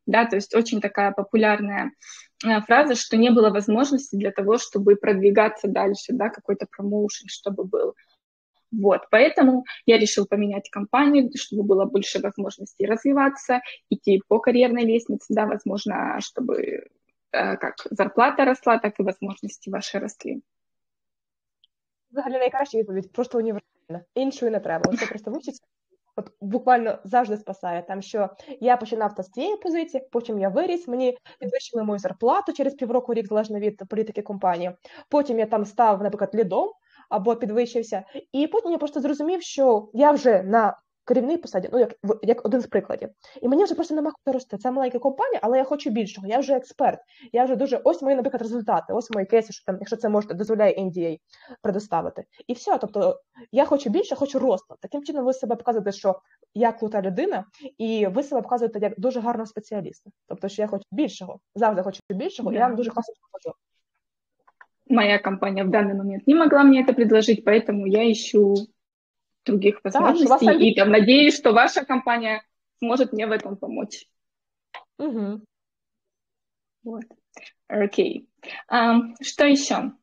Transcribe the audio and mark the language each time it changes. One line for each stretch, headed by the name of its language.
Russian: Да, то есть очень такая популярная фраза, что не было возможности для того, чтобы продвигаться дальше, да, какой-то промоушен, чтобы был. Вот, поэтому я решил поменять компанию, чтобы было больше возможностей развиваться, идти по карьерной лестнице, да, возможно, чтобы как зарплата росла, так и возможности ваши росли.
Ukrainian: Взагалі найкраща відповідь, просто універсальна. Іншої не треба. Це просто вчиться. От буквально завжди спасає. Там що я починав з цієї позиції, потім я виріс, мені підвищили мою зарплату через півроку, рік, залежно від політики компанії. Потім я там став, наприклад, лідом або підвищився. І потім я просто зрозумів, що я вже на керівній посаді, ну, як один з прикладів. І мені вже просто нема куди рости. Це маленька компанія, але я хочу більшого. Я вже експерт. Я вже дуже... Ось мої, наприклад, результати. Ось мої кейси, що там, якщо це можна, дозволяє NDA предоставити. І все. Тобто, я хочу більше, хочу росту. Таким чином ви себе показуєте, що я крута людина, і ви себе показуєте як дуже гарного спеціаліста. Тобто, що я хочу більшого. Завжди хочу більшого. Yeah. Я вам дуже класно хочу. Моя компанія в даний момент не могла мені це предложити,
Russian: поэтому я ищу других возможностей, да, и там, надеюсь, что ваша компания сможет мне в этом помочь. Угу. Вот. Окей. Что еще?